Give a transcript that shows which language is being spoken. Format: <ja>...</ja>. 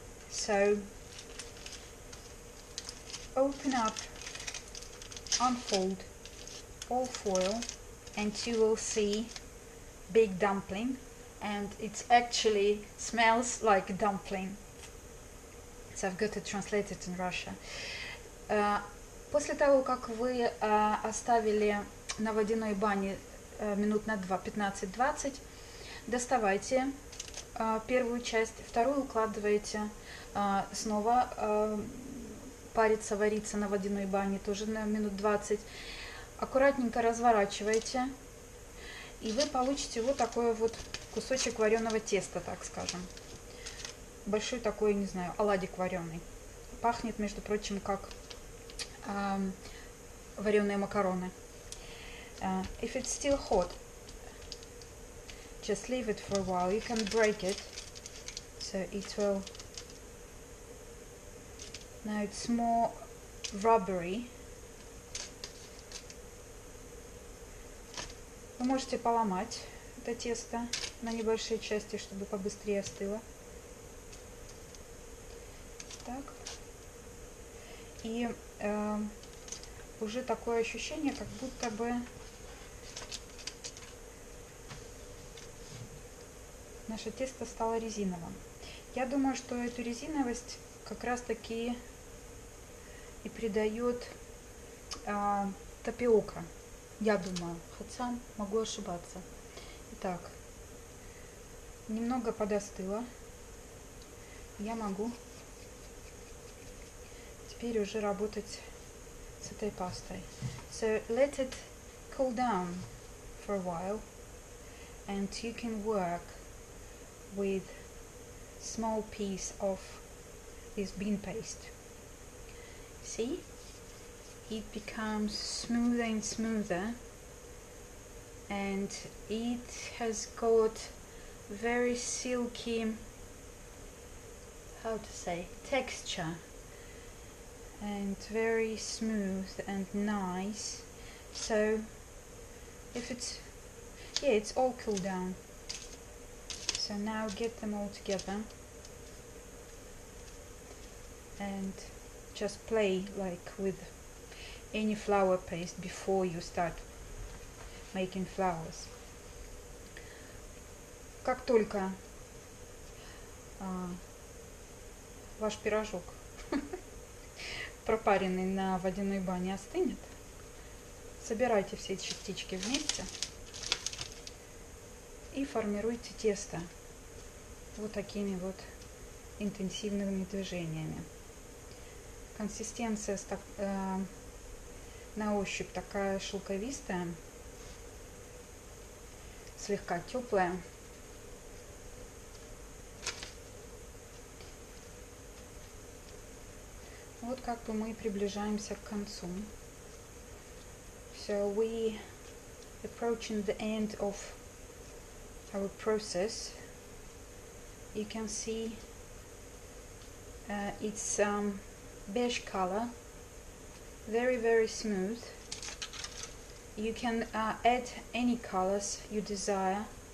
<en>So open up, unfold all foil, and you will see big dumpling, and it actually smells like dumpling. So I've got to translate it in Russia.</en> <ru>После того, как вы оставили на водяной бане минут на 2, 15-20, доставайте первую часть, вторую укладываете снова париться, вариться на водяной бане тоже на минут 20. Аккуратненько разворачивайте, и вы получите вот такой вот кусочек вареного теста, так скажем. Большой такой, не знаю, оладик вареный. Пахнет, между прочим, как вареные макароны.</ru> <en>If it's still hot, just leave it for a while. You can break it, so it will... Now it's more rubbery.</en> <ru>Вы можете поломать это тесто на небольшие части, чтобы побыстрее остыло. Так. И уже такое ощущение, как будто бы наше тесто стало резиновым. Я думаю, что эту резиновость как раз-таки и придает тапиока. Я думаю, хотя могу ошибаться. Итак, немного подостыло. Я могу теперь уже работать с этой пастой.</ru> <en>So let it cool down for a while, and you can work with small piece of this bean paste. See? It becomes smoother and smoother, and it has got very silky, how to say, texture, and very smooth and nice. So if it's, yeah, it's all cooled down. So now get them all together and just play like with any flour paste before you start making flours.</en> <ru>Как только ваш пирожок пропаренный на водяной бане остынет, собирайте все частички вместе и формируйте тесто вот такими вот интенсивными движениями. Консистенция на ощупь такая шелковистая, слегка теплая. Вот как бы мы приближаемся к концу.</ru> <en>So we approaching the end of our process. You can see it's beige color. Very, very smooth. You can add any colors you desire.</en>